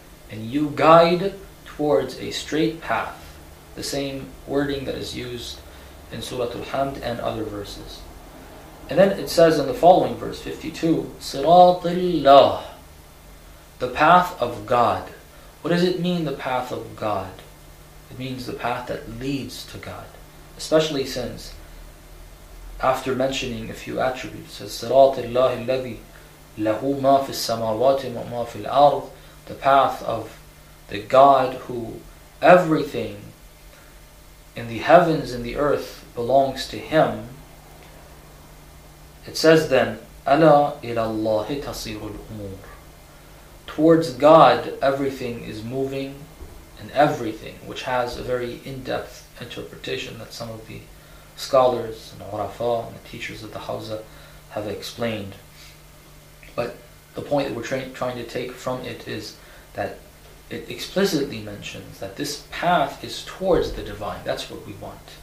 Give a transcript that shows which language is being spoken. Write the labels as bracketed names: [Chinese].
[English] And you guide towards a straight path. The same wording that is used in Surah Al-Hamd and other verses. And then it says in the following verse, 52, [Arabic] صِرَاطِ اللَّهِ. [English] The path of God. What does it mean, the path of God? It means the path that leads to God. Especially since, after mentioning a few attributes, it says, [Arabic] صِرَاطِ اللَّهِ الَّذِي لَهُ مَا فِي السَّمَاوَاتِ وَمَا فِي الْأَرْضِ. [English] The path of the God who everything in the heavens and the earth belongs to Him. It says then, [Arabic] أَلَا إِلَى اللَّهِ تَصِيرُ الْأُمُورِ. [English] Towards God, everything is moving, and everything, which has a very in-depth interpretation that some of the scholars and urafa and the teachers of the Hawza have explained. But the point that we're trying to take from it is that it explicitly mentions that this path is towards the Divine. That's what we want.